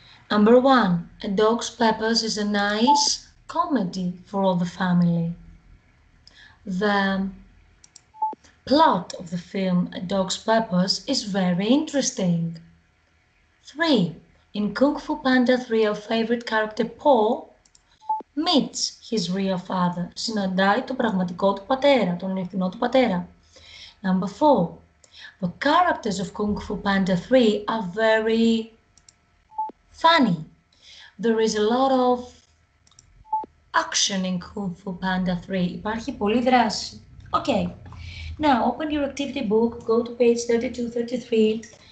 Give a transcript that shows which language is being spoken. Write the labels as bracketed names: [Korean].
[English] Number one, A Dog's Purpose is a nice comedy for all the family. The plot of the film A Dog's Purpose is very interesting. Three, in Kung Fu Panda 3, our favorite character, Paul, meets his real father. [Greek] Συναντάει τον πραγματικό του πατέρα, τον αληθινό του πατέρα. [English] Number four, the characters of Kung Fu Panda 3 are very funny. There is a lot of action in Kung Fu Panda 3. [Greek] Υπάρχει πολύ δράση. [English] Okay. Now, open your activity book, go to page 32-33.